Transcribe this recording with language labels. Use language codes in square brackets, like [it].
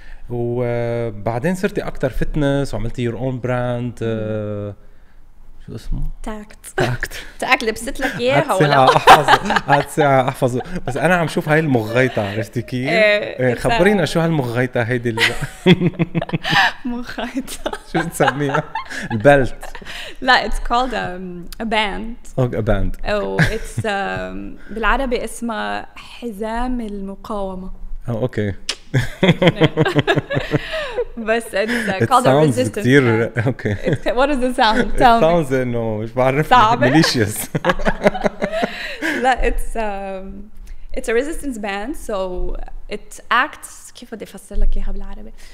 [ar] وبعدين صرتي اكتر فتنس وعملتي [en] your own brand [ar] اسمه تاكت تاكت تاكت لبست لك اياها ولا هات ساعة احفظه بس انا عم شوف هاي المغيطة عرفتي كيف خبرينا شو هالمغيطة هيدي مغيطة شو تسميها البلت [en] لا it's called a band okay a band oh it's [ar] بالعربي اسمه حزام المقاومة اوكي [en] بس it's called a resistance [ar] كتير... okay. [en] it's... what is the sound? Tell it sounds no [ar] مش بعرف [en] malicious لا it's a resistance band so it acts [ar] كيف بدي افسر لك اياها بالعربي